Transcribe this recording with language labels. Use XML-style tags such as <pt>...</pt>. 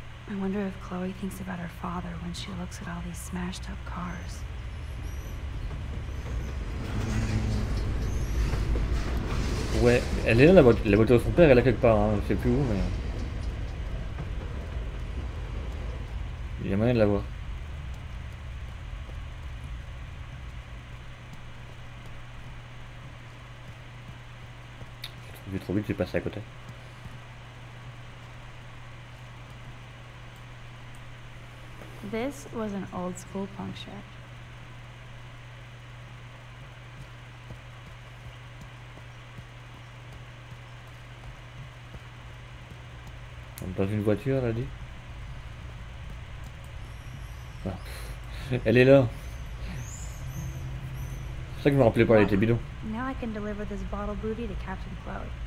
<en>I wonder if Chloe thinks about her father when she looks at all these smashed up cars.</en> <fr>Ouais, elle est là, la voiture de son père, elle est là quelque part, hein. Je sais plus où, mais... Il y a moyen de la voir. J'ai trop vite, j'ai passé à côté.</fr> <en>This was an old school punk shack.</en> <fr>Dans une voiture, elle a dit. Elle est là. C'est ça que je me rappelais pas, elle était bidon.</fr> <en>Now I can deliver this bottle booty to Captain Chloe.</en>